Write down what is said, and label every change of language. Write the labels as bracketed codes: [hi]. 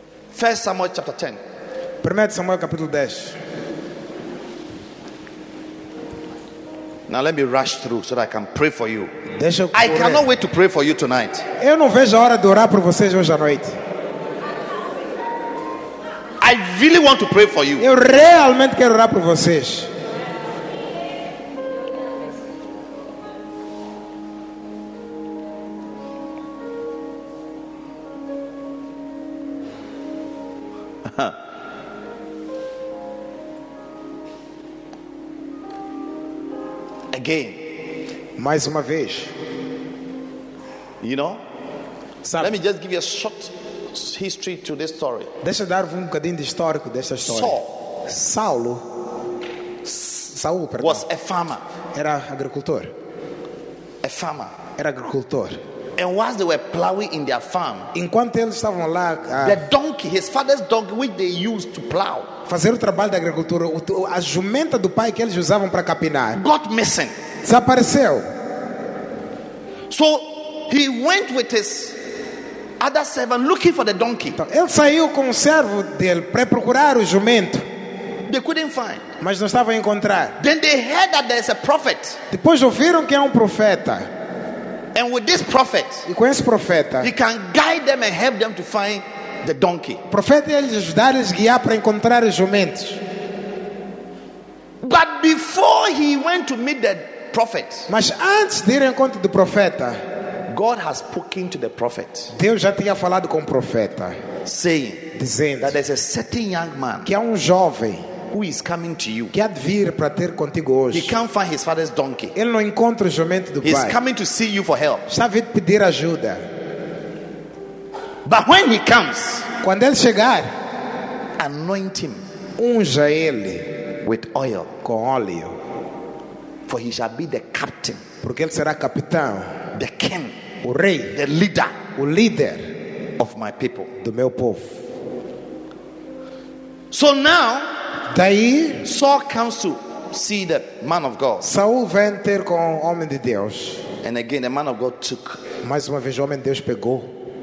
[en] First Samuel chapter 10. [pt] 1 Samuel capítulo 10. [en] Now let me rush through so that I can pray for you. [pt] Deixa eu correr. [en] I cannot wait to pray for you tonight. [pt] Eu não vejo a hora de orar por vocês hoje à noite. [en] I really want to pray for you. [pt] Eu realmente quero orar por vocês. [en] Again, [pt] mais uma vez, [en] you know, [pt] sabe, [en] let me just give you a short history to this story. [pt] Deixa eu dar-vos um bocadinho de histórico desta história. [en] Saul, was a farmer. [pt] Era agricultor. [en] A farmer. [pt] Era agricultor. [en] And whilst they were plowing in their farm, [pt] enquanto eles estavam lá, [en] the donkey, his father's donkey, which they used to plow, [pt] fazer o trabalho da agricultura, a jumenta do pai que eles usavam para capinar, [en] got missing, [pt] desapareceu. [en] So he went with his other servant looking for the donkey. [pt] Então, ele saiu com o servo dele para procurar o jumento. [en] They couldn't find. [pt] Mas não estavam a encontrar. [en] Then they heard that there's a prophet. [pt] Depois ouviram que é profeta. [en] And with this prophet, [pt] e com esse profeta, [en] he can guide them and help them to find the donkey. [pt] O profeta ia ajudar eles a guiar para encontrar os jumentos. [en] But before he went to meet the prophet, [pt] mas antes de ir ao encontro do profeta, [en] God has spoken to the prophet. [pt] Deus já tinha falado com o profeta, [en] saying, [pt] dizendo, [en] that there's a certain young man, [pt] que há jovem, [en] who is coming to you? [pt] Que há de vir para ter contigo hoje. [en] He can't find his father's donkey. [pt] Ele não encontra o jumento do [en] He's [pt] pai. [en] He's coming to see you for help. [pt] Está a vir pedir ajuda. [en] But when he comes, [pt] quando ele chegar, [en] anoint him, [pt] unja ele [en] with oil, [pt] com óleo, [en] for he shall be the captain, [pt] porque ele será capitão, [en] the king, [pt] o rei, [en] the leader, [pt] o líder [en] of my people, [pt] do meu povo. [en] So now, [pt] daí, [en] Saul comes to see the man of God. [pt] Saul vem ter com o homem de Deus. [en] And again, the man of God took, [pt] mais uma vez o homem de Deus pegou,